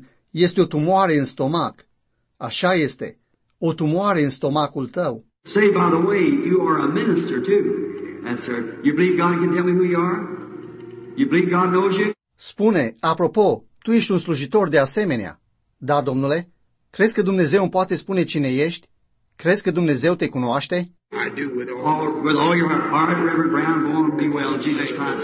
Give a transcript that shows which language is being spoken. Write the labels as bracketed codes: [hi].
[ro] Este o tumoare în stomac. Așa este. O tumoare în stomacul tău. [en] Say, by the way, you are a minister too. That's right. You believe God can tell me who you are? You believe God knows you? [ro] Spune, apropo, tu ești un slujitor de asemenea. Da, domnule? Crezi că Dumnezeu îmi poate spune cine ești? Crezi că Dumnezeu te cunoaște? [en] I do with all your heart, Reverend Brown, go on and be well, Jesus Christ.